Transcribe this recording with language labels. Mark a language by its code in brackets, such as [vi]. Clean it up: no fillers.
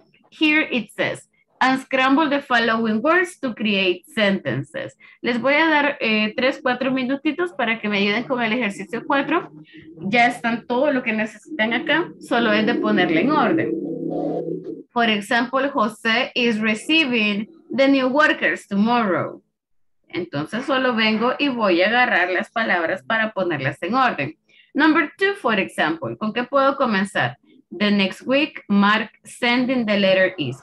[en] Here it says, unscramble the following words to create sentences. [es] Les voy a dar 3-4 minutitos para que me ayuden con el ejercicio 4. Ya están todo lo que necesitan acá. Solo es de ponerle en orden. [en] For example, José is receiving the new workers tomorrow. [es] Entonces solo vengo y voy a agarrar las palabras para ponerlas en orden. [en] Number 2, for example, [es] ¿con qué puedo comenzar? [en] The next week, Mark sending the letter is.